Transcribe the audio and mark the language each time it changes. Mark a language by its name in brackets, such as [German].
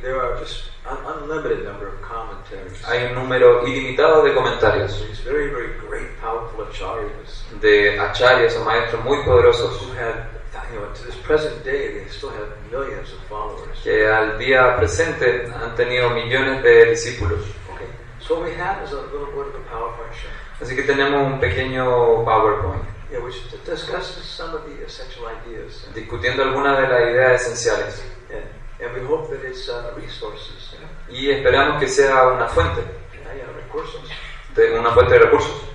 [English] there are just an unlimited number of commentaries. [Spanish] Hay un número ilimitado de comentarios. [English] These very, very great, powerful acharyas. [Spanish] De acharyas o maestros muy poderosos. [English] Who had, to this present day, they still have millions of followers. [Spanish] Que al día presente han tenido millones de discípulos. [English] Okay. So what we have is a little bit of a PowerPoint show. [Spanish] Así que tenemos un pequeño PowerPoint. [English] Yeah, which discusses some of the essential ideas. [Spanish] Discutiendo algunas de las ideas esenciales. [English] Yeah. And we hope that it's resources. [Spanish] Y esperamos que sea una fuente. [English] Yeah, recursos. [Spanish] De una fuente de recursos.